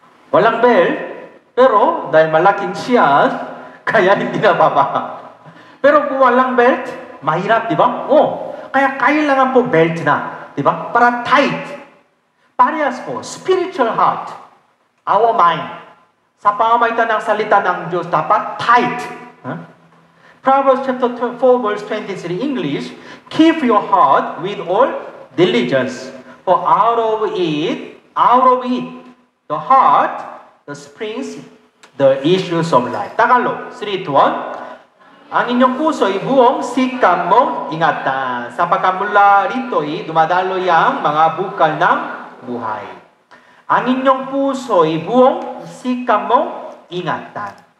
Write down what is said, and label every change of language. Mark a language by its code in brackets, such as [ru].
[tl] Walang belt, pero dahil malaking siyan, kaya hindi na baba. Pero kung walang belt, mahirap, di ba? Oh, kaya kailangan po belt na, di ba? Para tight. Parehas po, [en] spiritual heart, our mind. [tl] Sa pamamagitan ng salita ng Diyos, dapat tight. Huh? [en] Proverbs chapter 4 verse 23 English, keep your heart with all diligence. For out of it, the heart, the springs, the issues of life. [tl] Tagalog, 3-1. Ang inyong puso'y buong sikam mong ingatan. Sapagkat mula rito'y dumadaloy ang mga bukal ng buhay. Ang inyong puso'y buong sikam mong ingatan.